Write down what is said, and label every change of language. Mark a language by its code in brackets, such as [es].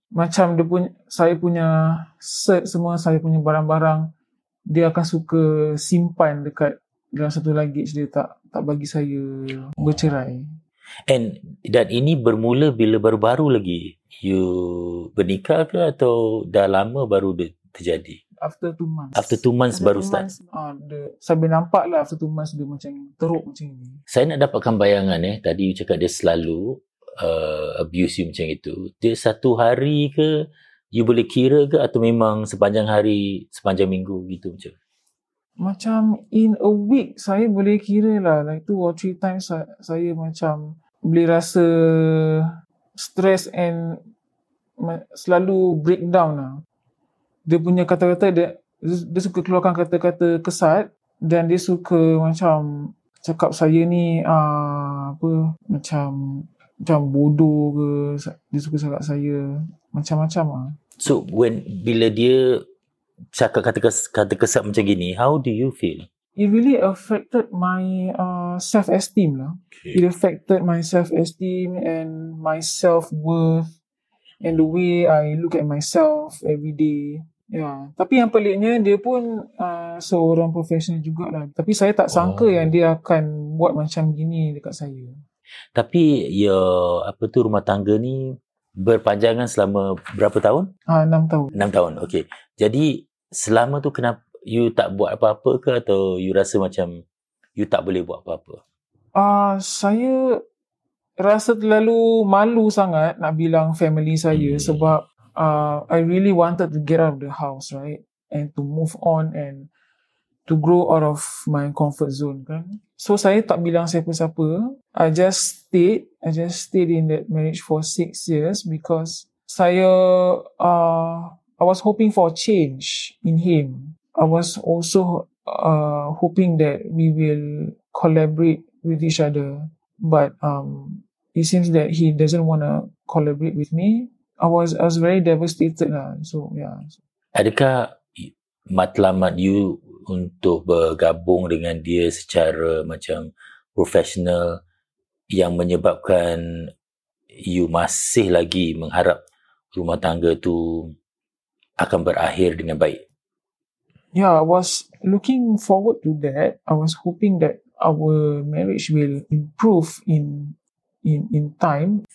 [ms] Macam dia punya, saya punya cert semua, saya punya barang-barang. Dia akan suka simpan dekat dalam satu luggage dia tak bagi saya bercerai. And dan ini bermula bila baru-baru lagi you bernikah ke atau dah lama baru terjadi? [en] After 2 months. After 2 months after [ms] baru [en] two start. [ms] Saya nampak lah [en] after 2 months [ms] dia macam teruk macam ni. Saya nak dapatkan bayangan eh. Tadi you cakap dia selalu abuse you macam itu. Dia satu hari ke you boleh kira ke atau memang sepanjang hari, sepanjang minggu gitu macam? Macam [en] in a week [ms] saya boleh kira lah [en] like 2 or 3 times [ms] saya macam boleh rasa stress and selalu [en] breakdown [ms] lah. Dia punya kata-kata dia suka keluarkan kata-kata kesat dan dia suka macam cakap saya ni macam bodoh ke, dia suka cakap saya macam-macam lah. [en] So when [ms] bila dia cakap kata kesat macam gini, [en] how do you feel? It really affected my self-esteem lah. Okay. It affected my self-esteem and my self-worth and the way I look at myself every day. Yeah. [ms] Tapi yang peliknya, dia pun seorang profesional jugalah. Tapi saya tak sangka yang dia akan buat macam gini dekat saya. Tapi ya, apa tu rumah tangga ni berpanjangan selama berapa tahun? 6 tahun. 6 tahun, okay. Jadi, selama tu kenapa you tak buat apa-apa ke atau you rasa macam you tak boleh buat apa-apa? Saya rasa terlalu malu sangat nak bilang family saya sebab [en] I really wanted to get out of the house, right? And to move on and to grow out of my comfort zone, kan? So, [ms] saya tak bilang siapa-siapa. [en] I just stayed in that marriage for 6 years because [ms] saya, [en] I was hoping for a change in him. I was also hoping that we will collaborate with each other. But it seems that he doesn't want to collaborate with me. I was very devastated lah. So, yeah. [ms] Adakah matlamat you untuk bergabung dengan dia secara macam profesional yang menyebabkan you masih lagi mengharap rumah tangga tu akan berakhir dengan baik? [en] Yeah, I was looking forward to that. I was hoping that our marriage will improve in time.